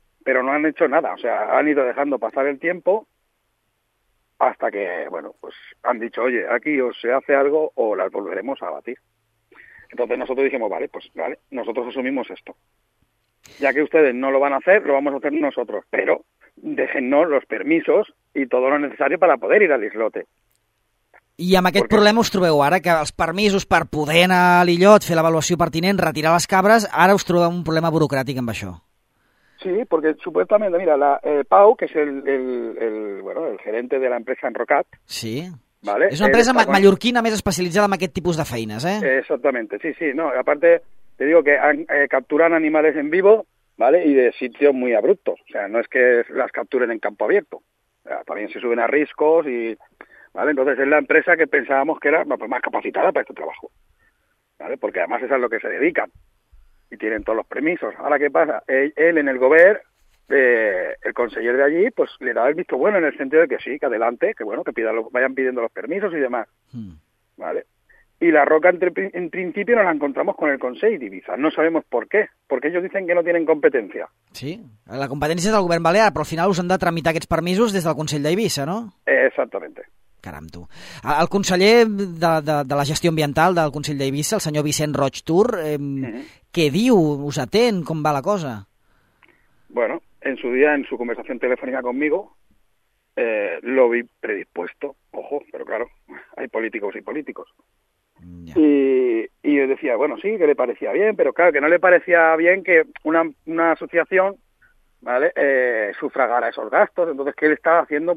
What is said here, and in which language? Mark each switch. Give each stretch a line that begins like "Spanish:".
Spanish: Pero no han hecho nada, o sea, han ido dejando pasar el tiempo hasta que, bueno, pues han dicho, oye, aquí o se hace algo o las volveremos a abatir. Entonces nosotros dijimos, vale, pues vale, nosotros asumimos esto. Ya que ustedes no lo van a hacer, lo vamos a hacer nosotros, pero déjennos los permisos y todo lo necesario para poder ir al islote.
Catalan: I amb aquest problema us trobeu ara, que els permisos per poder anar a l'illot, fer l'avaluació pertinent, retirar les cabres, ara us trobeu un problema burocràtic amb això.
Spanish: Sí, porque supuestamente, mira, Pau, que es el gerente de la empresa Enrocat. Sí, ¿vale?
Catalan: És una empresa mallorquina més especialitzada en aquest tipus de feines, eh?
Spanish: Exactamente, sí, sí. No, aparte, te digo que capturan animales en vivo, ¿vale? Y de sitios muy abruptos. O sea, no es que las capturen en campo abierto. O sea, también se suben a riscos y... ¿Vale? Entonces es la empresa que pensábamos que era más capacitada para este trabajo, ¿vale? Porque además es a lo que se dedican y tienen todos los permisos. Ahora, ¿qué pasa? Él en el gobierno, el conseller de allí, pues le da el visto bueno en el sentido de que sí, que adelante, que bueno, que vayan pidiendo los permisos y demás, ¿vale? Y la roca en principio no la encontramos con el Consell d'Eivissa. No sabemos por qué, porque ellos dicen que no tienen competencia. Sí, la competencia es del gobierno balear, pero al final
Catalan: us han de tramitar aquests permisos des del Consell d'Eivissa,
Spanish: ¿no? Exactamente.
Catalan: Caram, tu. El conseller de la gestió ambiental del Consell d'Eivissa, el senyor Vicent Roig Tur, què diu? Us atén? Com va la cosa?
Spanish: Bueno, en su día, en su conversación telefónica conmigo, lo vi predispuesto. Ojo, pero claro, hay políticos y políticos. Y yo decía, bueno, sí, que le parecía bien, pero claro, que no le parecía bien que una asociación, ¿vale?, sufragara esos gastos. Entonces, ¿qué le estaba haciendo?